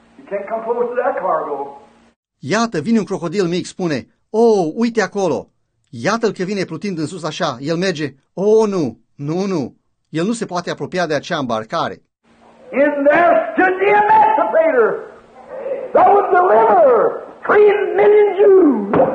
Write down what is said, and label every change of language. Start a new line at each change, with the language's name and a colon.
English: Can't come close to that cargo.
Romanian: Iată, vine un crocodil mic, spune, oh, uite acolo. Iată-l că vine plutind în sus așa, el merge, oh, nu. El nu se poate apropia de acea îmbarcare.
English: In there stood the emancipator. That would deliver 3 million Jews.